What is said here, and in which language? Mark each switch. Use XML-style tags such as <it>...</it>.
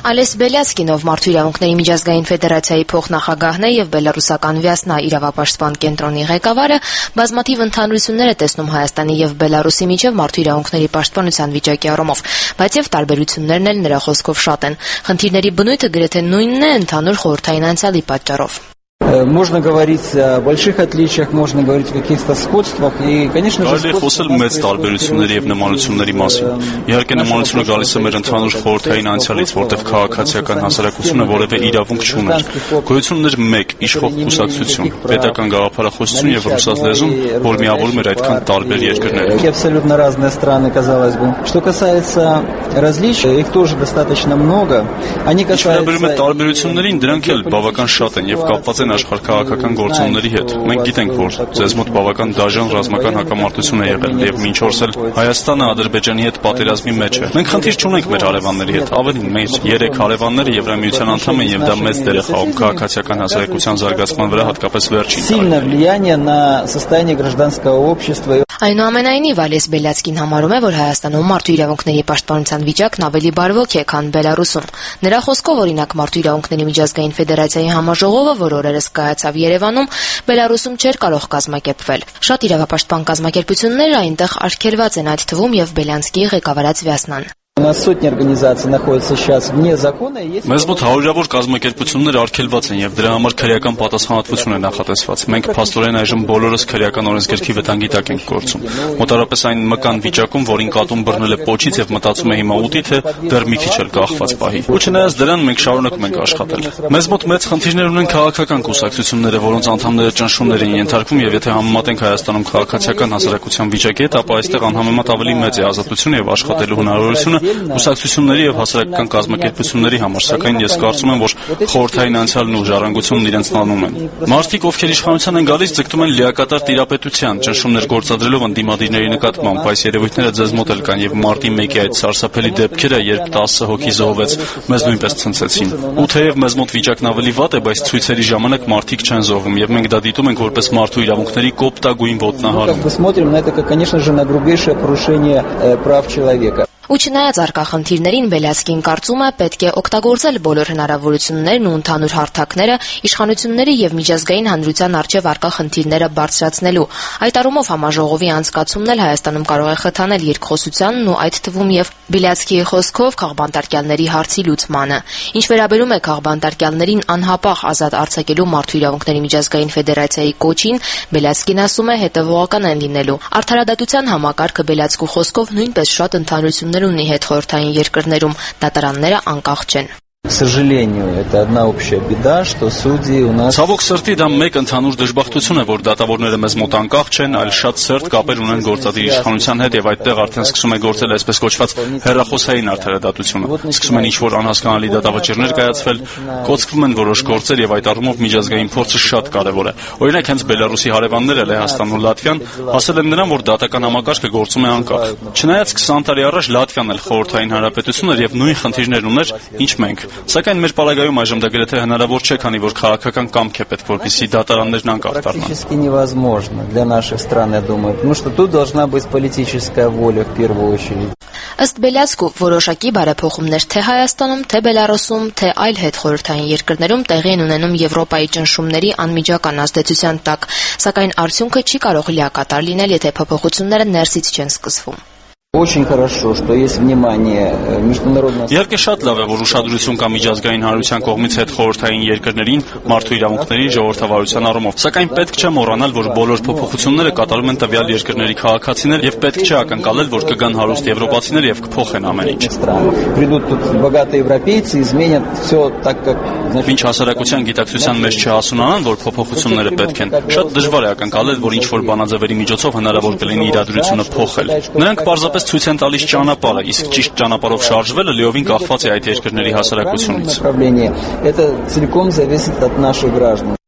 <hy>Ալես Բելյասկինով, մարդու իրավունքների միջազգային ֆեդերացիայի փոխնախագահն է եւ Բելարուսական Վյասնա իրավապաշտպան կենտրոնի ղեկավարը, բազմաթիվ ընդհանրություններ է տեսնում Հայաստանի եւ Բելարուսի միջեւ մարդու իրավունքների պաշտպանության վիճակի առումով, բայց եւ տարբերություններն էլ նրա խոսքով շատ են։ Խնդիրների բնույթը գրեթե նույնն է ընդհանուր խորհրդային անցյալի պատճառով։</hy> <ru>Можно говорить о больших отличиях, можно говорить о каких-то сходствах, и, конечно же, сходства.</ru> <hy>Խոսել մեծ տարբերությունների եւ նմանությունների մասին։ Իհարկե, նմանությունը գալիս է մեր ընդհանուր խորհրդային անցյալից, որտեղ քաղաքացիական հասարակությունը որևէ իրավունք չուներ։ Գոյություն ուներ մեկ՝ իշխող կուսակցություն, պետական գաղափարախոսություն եւ ռուսաց լեզուն, որ միավորում էր այդքան տարբեր երկրները։</hy> <ru>Абсолютно разные страны, казалось бы. Что касается различий, их тоже достаточно много. Они касаются</ru> <hy>տարբերություններին, դրանք էլ բավական շատ են եւ կապված են աշխարհ քաղաքական գործոնների հետ։ Մենք գիտենք, որ ձեզ մոտ բավական դաժան ռազմական հակամարտություն է եղել, եւ մինչ օրս էլ Հայաստանը Ադրբեջանի հետ պատերազմի մեջ է։ Մենք խնդիր չունենք մեր հարևանների հետ, ավելին, մեր 3 հարևանները Եվրամիության անդամ են, եւ դա մեծ դեր է խաղում քաղաքացիական հասարակության զարգացման վրա, հատկապես վերջին տարիներին։ Այնուամենայնիվ, Ալես Բելյացկին համարում է, որ Հայաստանում մարդու իրավունքների պաշտպանության վիճակն ավելի բարվոք է, քան Բելարուսում։ Նրա խոսքով, օրինակ, մարդու իրավունքների միջազգային ֆեդերացիայի համաժողովը, որ օրերս կայացավ Երևանում, Բելարուսում չէր կարող կազմակերպվել։ Շատ իրավապաշտպան կազմակերպությունները այնտեղ արգելված են, այդ թվում եւ Բելյանցկի ղեկավարած Վյասնան։</hy> <ru>На сотни организаций находится сейчас вне закона, есть</ru> <hy>Մեզ մոտ հարյուրավոր կազմակերպություններ արգելված են եւ դրա համար քրեական պատասխանատվություն է նախատեսված։ Մենք փաստորեն այժմ բոլորս քրեական օրենսգրքի վտանգի տակ ենք գործում։ Մոտարապես այն մկան վիճակում, որին կատուն բռնել է փոչից եւ մտածում է հիմա ուտի, թե դեռ մի քիչ էլ կախված պահի։ Ոչնայած դրան մենք շարունակում ենք աշխատել։ Մեզ մոտ մեծ խնդիրներ ունեն քաղաքական կուսակցությունները, որոնց անդամները ճնշումներ են ենթարկվում, եւ եթե համեմատենք Հայաստանում քաղաքացիական հասարակության վիճակի հետ, ապա այստեղ անհամեմատ ավելի մեծ է ազատությունը եւ աշխատելու հնարավորությունը։ ուսակցությունների եւ հասարակական կազմակերպությունների համար, սակայն ես կարծում եմ, որ խորհրդային անցյալն ու ժառանգությունն իրենց տանում են։ Մարտիկ, ովքեր իշխանության են գալիս, ձգտում են լիակատար տիրապետության, ճնշումներ գործադրելով ընդդիմադիրների նկատմամբ, այս երևույթները ձեզ մոտ էլ կան եւ մարտի 1-ի այդ սարսափելի դեպքերը, երբ 10 հոգի զոհվեց, մեզ նույնպես ցնցեցին։ Ու թեև մեզ մոտ վիճակն ավելի վատ է, բայց ցույցերի ժամանակ մարտիկ չեն զոհվում եւ մենք դա դիտում ենք որպես մարտու իրավունքների կոպտագույն ոտնահարում։</hy> <ru>Прав человека.</ru> <hy>Ուչնայած արկախնդիրներին Բելյասկին կարծում է պետք է օգտագործել բոլոր հնարավորություններն ու ընդհանուր հարթակները իշխանությունների եւ միջազգային հանրության առջեւ արկախնդիրները բարձրացնելու։ Այդ առումով համաժողովի անցկացումն էլ Հայաստանում կարող է խթանել երկխոսությանն ու այդ թվում եւ Բելյասկի խոսքով քաղբանտարկյալների հարցի լուծմանը։ Ինչ վերաբերում է քաղբանտարկյալներին անհապաղ ազատ արձակելու մարդու իրավունքների միջազգային ֆեդերացիայի կոչին, Բելյասկին ասում է հետևողական են լինելու։ Արդարադատության համակարգը Բելյասկու խոսքով նույնպես շատ ընդհանուր ունի հետ խորհրդային երկրներում, դատարանները անկախ չեն։</hy> <ru>Сожалению, это одна общая беда, что судьи у нас</ru> <hy>Ցավոք սրտի դա մեկ ընդհանուր դժբախտություն է, որ դատավորները մեզ մոտ անկախ չեն, այլ շատ սերտ կապեր ունեն գործադիր իշխանության հետ եւ այդտեղ արդեն սկսում է գործել այսպես կոչված հերախոսային արդարադատությունը։ Սկսում են ինչ-որ անհասկանալի դատավճիռներ կայացվել, կոչվում են որոշ գործեր եւ այդ առումով միջազգային փորձը շատ կարեւոր է։ Օրինակ հենց Բելարուսի հարևանները Լեհաստան ու Լատվիան ասել են նրան, որ դատական համակարգը գործում է անկախ։ Չնայած 20 տարի առաջ Լատվիան էլ խորհրդային հանրապետություն էր եւ նույն խնդիրներ ուներ, ինչ մենք։ Սակայն մեր պարագայում այժմ դա գրեթե հնարավոր չէ, քանի որ քաղաքական կամք է պետք, որպեսզի դատարաններն անկախ դառնան։</hy> <ru>Практически невозможно для нашей страны, я думаю, потому что тут должна быть политическая воля в первую очередь.</ru> <hy>Ըստ Բելյասկու, որոշակի բարեփոխումներ թե Հայաստանում, թե Բելարուսում, թե այլ հետխորհրդային երկրներում տեղի են ունենում Եվրոպայի ճնշումների անմիջական ազդեցության տակ, սակայն արդյունքը չի կարող լիակատար լինել, եթե փոփոխությունները ներսից չեն սկսվում։</hy> <ru>Очень хорошо, что есть внимание международного.</ru> <hy>Ярко շատ լավ է, որ ուշադրություն կա միջազգային հանրության կողմից հետ խորհրդային երկրներին մարդու իրավունքների ժողովրդավարության առումով, սակայն պետք չէ մոռանալ, որ բոլոր փոփոխությունները կատարում են տվյալ երկրների քաղաքացիներ եւ պետք չէ ակնկալել, որ կգան հարուստ եվրոպացիներ եւ կփոխեն ամեն ինչ։</hy> <ru>Придут тут богатые европейцы, изменят всё так, как</ru> <hy>значит, ինչ հասարակության գիտակցության մեջ չհասունան, որ փոփոխությունները պետք են։ Շատ դժվար է ակնկալել, որ ինչ որ բանաձևերի միջոցով հնարավոր կլինի իրադրությունը փոխել։ Նրանք պարզապես ցույց են տալիս ճանապարհը, իսկ ճիշտ ճանապարհով շարժվելը լիովին կախված է այդ երկրների հասարակությունից։</hy>